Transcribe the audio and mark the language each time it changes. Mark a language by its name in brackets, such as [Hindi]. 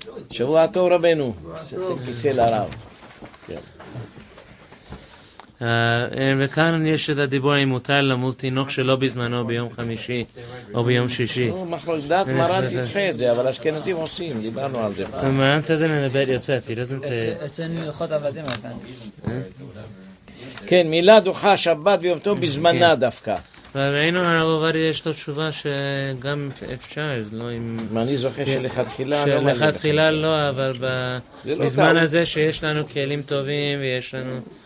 [Hebrew] שבוע טוב רבנו. שבוע טוב. שבוע טוב. וכאן יש את הדיבור אם מותר למול תינוק שלא בזמנו ביום חמישי או ביום שישי. מחלוקת מרן תדחה את זה, אבל אשכנזים עושים, דיברנו על זה. [English] מרן says it in the Bet Yosef, he doesn't say... [Hebrew] אצלנו הלכות עבדים אותם. כן, מילה דוחה, שבת ויום טוב בזמנה דווקא. ראינו הרב עובדיה יש לו תשובה שגם אפשר, אז לא אם... אני זוכר שלכתחילה... שלכתחילה לא, אבל בזמן הזה שיש לנו כלים טובים ויש לנו...